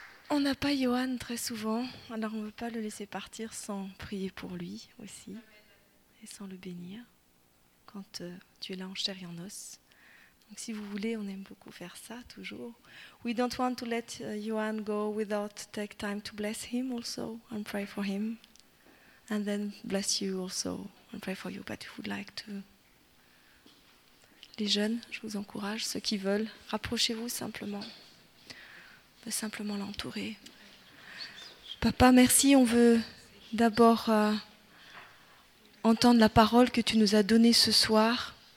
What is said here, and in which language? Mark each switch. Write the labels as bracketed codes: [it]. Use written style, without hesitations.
[fr] On n'a pas Johan très souvent, alors on ne veut pas le laisser partir sans prier pour lui aussi, et sans le bénir, quand tu es là en chair et en os. Donc, si vous voulez, on aime beaucoup faire ça, toujours. [en] We don't want to let Johan go without take time to bless him also and pray for him. And then bless you also and pray for you. But if you would like to... [fr] Les jeunes, je vous encourage, ceux qui veulent, rapprochez-vous simplement. On veut simplement l'entourer. Papa, merci. On veut d'abord entendre la parole que tu nous as donnée ce soir.